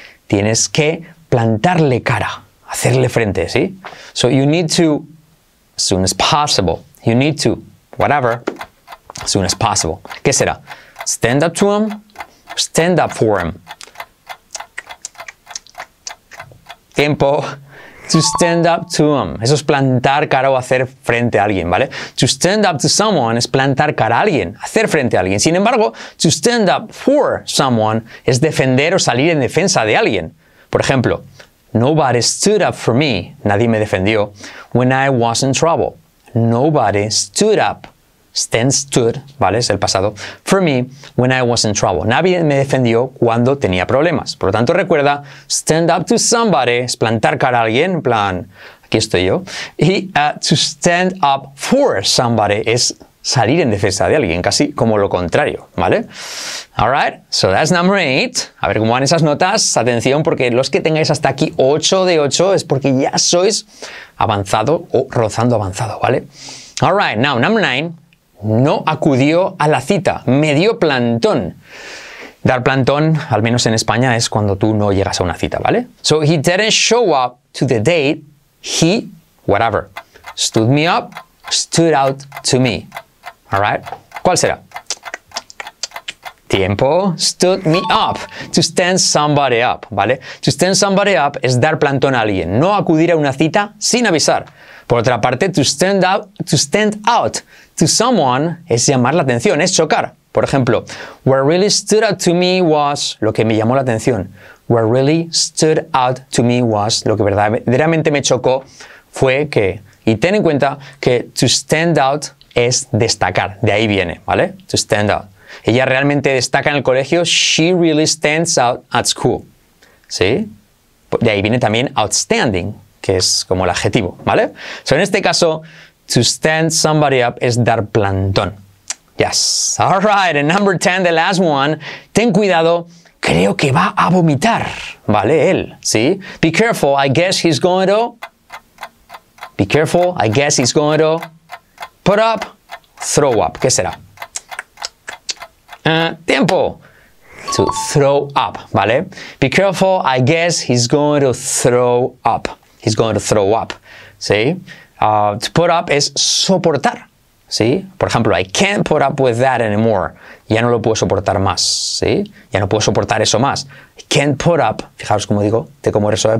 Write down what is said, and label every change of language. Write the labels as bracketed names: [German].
[Spanish] Tienes que plantarle cara, hacerle frente, ¿sí? [English] So you need to, as soon as possible, you need to, whatever, as soon as possible. ¿Qué será? Stand up to him, stand up for him. Tiempo. To stand up to him. [Spanish] Eso es plantar cara o hacer frente a alguien, ¿vale? To stand up to someone es plantar cara a alguien, hacer frente a alguien. Sin embargo, to stand up for someone es defender o salir en defensa de alguien. Por ejemplo, [English] nobody stood up for me, [Spanish] nadie me defendió, [English] when I was in trouble. Nobody stood up, stood, ¿vale? [Spanish] Es el pasado, [English] for me, when I was in trouble. [Spanish] Nadie me defendió cuando tenía problemas. Por lo tanto, recuerda, stand up to somebody, es plantar cara a alguien, en plan, aquí estoy yo. Y to stand up for somebody es salir en defensa de alguien, casi como lo contrario, ¿vale? [English] Alright, so that's number 8. [Spanish] A ver cómo van esas notas. Atención, porque los que tengáis hasta aquí 8 de 8 es porque ya sois avanzado o rozando avanzado, ¿vale? [English] Alright, now number 9. [Spanish] No acudió a la cita, me dio plantón. Dar plantón, al menos en España, es cuando tú no llegas a una cita, ¿vale? [English] So he didn't show up to the date, he, whatever, stood me up, stood out to me. Alright, [Spanish] ¿cuál será? Tiempo, [English] stood me up, to stand somebody up, ¿vale? [Spanish] To stand somebody up es dar plantón a alguien, no acudir a una cita sin avisar. Por otra parte, to stand out to someone es llamar la atención, es chocar. Por ejemplo, [English] what really stood out to me was, [Spanish] lo que me llamó la atención, what really stood out to me was, lo que verdaderamente me chocó fue que Y ten en cuenta que to stand out es destacar, de ahí viene, ¿vale? To stand out. Ella realmente destaca en el colegio. [English] She really stands out at school. [Spanish] ¿Sí? De ahí viene también outstanding, que es como el adjetivo, ¿vale? [English] So, [Spanish] en este caso, [English] to stand somebody up [Spanish] es dar plantón. [English] Yes. All right. And number 10, the last one. [Spanish] Ten cuidado. Creo que va a vomitar. ¿Vale? Él. ¿Sí? [English] Be careful. I guess he's going to... Be careful. I guess he's going to... Put up. Throw up. [Spanish] ¿Qué será? [English] Tiempo. To throw up. ¿Vale? Be careful. I guess he's going to throw up. He's going to throw up. ¿Sí? To put up [Spanish] es soportar. ¿Sí? Por ejemplo, [English] I can't put up with that anymore. [Spanish] Ya no lo puedo soportar más. ¿Sí? Ya no puedo soportar eso más. [English] I can't put up. [Spanish] Fijaros cómo digo, de cómo resolver.